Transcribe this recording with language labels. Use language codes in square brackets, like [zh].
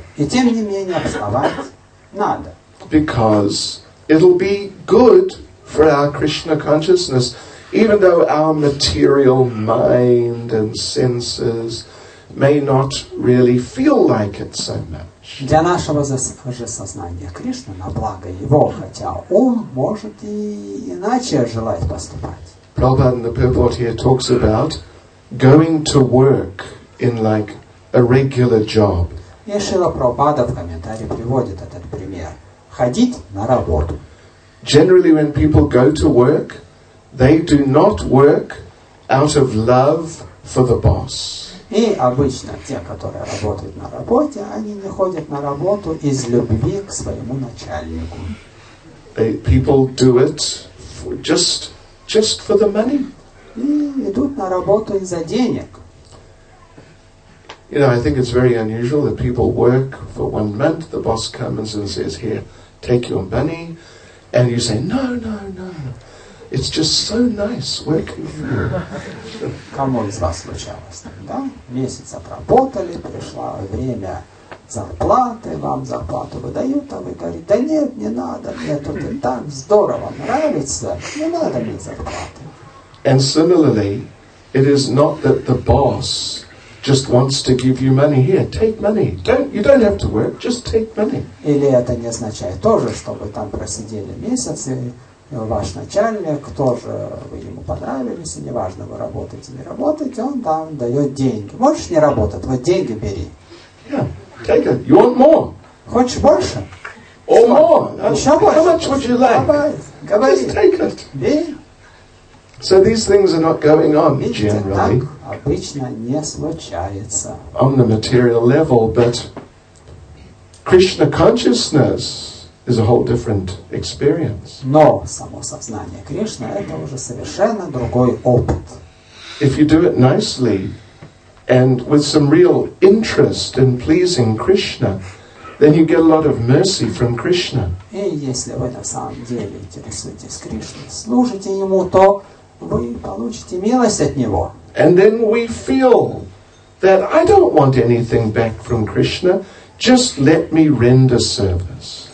[ru] И тем не менее вставать надо. [en] Because it'll be good for our Krishna consciousness, even though our material mind and senses may not really feel like it so much. [ru] Для нашего же сознания Кришна на благо его, хотя ум может и иначе желать поступать. [en] Prabhupada in the purport here talks about going to work in like a regular job. [ru] И Шрила Прабхупада в комментарии приводит этот пример. Ходить на работу. [en] Generally, when people go to work, they do not work out of love for the boss. [ru] И обычно те, которые работают на работе, они не ходят на работу из любви к своему начальнику. [en] People do it for just for the money. [ru] И идут на работу из-за денег. [en] You know, I think it's very unusual that people work for 1 month, the boss comes and says, here, take your money, and you say, no, no, no, it's just so nice working for you. [ru] Кому из вас случалось тогда? Месяц отработали, пришло время зарплаты, вам зарплату выдают, а вы говорите, да нет, не надо, мне тут и так здорово нравится, не надо мне зарплаты. [en] And similarly, it is not that the boss just wants to give you money. Here, take money. You don't have to work. Just take money. [ru] Или это не означает тоже, что вы там просидели месяц, и ваш начальник тоже, вы ему понравились, и неважно, вы работаете, не работаете, он там дает деньги. Можешь не работать, вот деньги бери. [en] Yeah, take it. You want more? [ru] Хочешь больше? [en] Or more? [ru] Еще больше? [en] How much would you like? [ru] Говори. [en] Just take it. [ru] Бери. [en] So these things are not going on generally. [ru] Обычно не случается. [en] On the material level, but Krishna consciousness is a whole different experience. [ru] Но само сознание Кришны это уже совершенно другой опыт. [en] If you do it nicely and with some real interest in pleasing Krishna, then you get a lot of mercy from Krishna. [ru] И если вы на самом деле интересуетесь Кришной, служите ему, то вы получите милость от него. [en] And then we feel that I don't want anything back from Krishna, just let me render service.